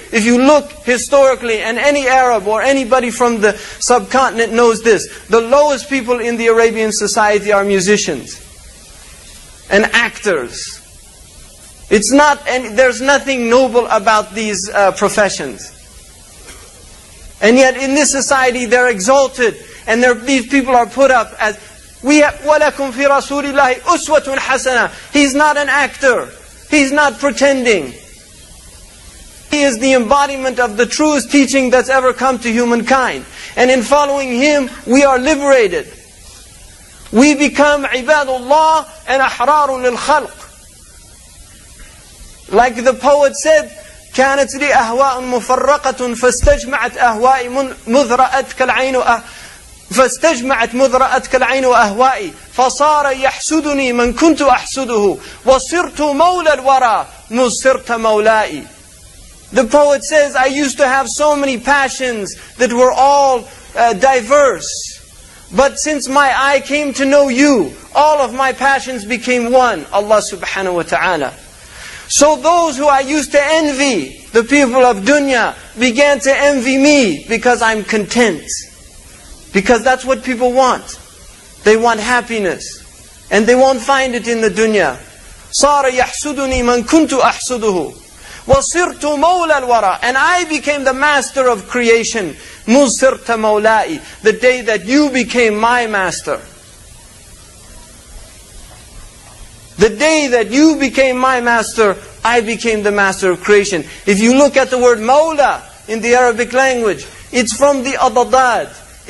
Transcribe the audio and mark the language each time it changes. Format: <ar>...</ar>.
<en>If you look historically, and any Arab or anybody from the subcontinent knows this, the lowest people in the Arabian society are musicians and actors. It's not, and there's nothing noble about these professions. And yet in this society they're exalted, and these people are put up as... We have</en> <ar>وَلَكُمْ فِي رَسُولِ اللَّهِ أُسْوَةٌ حَسَنَةٌ.</ar> <en>He's not an actor. He's not pretending. He is the embodiment of the truest teaching that's ever come to humankind. And in following him, we are liberated. We become</en> <ar>عِبَادُ اللَّهِ</ar> <en>and</en> <ar>أَحْرَارٌ لِلْخَلْقِ.</ar> <en>Like the poet said,</en> <ar>كَانَتْ لِي أَهْوَاءٌ مُفَرَّقَةٌ فَاسْتَجْمَعَتْ أَهْوَاءِ مُذْرَأَتْ كَالْعَيْنُ فَاسْتَجْمَعَتْ مُذْرَأَتْكَ الْعَيْنُ وَأَهْوَائِي فَصَارَ يَحْسُدُنِي مَنْ كُنْتُ أَحْسُدُهُ وَصِرْتُ مَوْلَى الْوَرَى مُصِرْتَ مَوْلَائِي.</ar> <en>The poet says, I used to have so many passions that were all diverse. But since my eye came to know you, all of my passions became one, Allah subhanahu wa ta'ala. So those who I used to envy, the people of dunya, began to envy me because I'm content. Because that's what people want. They want happiness. And they won't find it in the dunya.</en> <ar>صار يحسدني من كنت أحسده وصرت مولى الورى.</ar> <en>And I became the master of creation.</en> <ar>مصرت مولائي.</ar> <en>The day that you became my master. The day that you became my master, I became the master of creation. If you look at the word مَوْلَى in the Arabic language, it's from the أَضَدَاد.</en>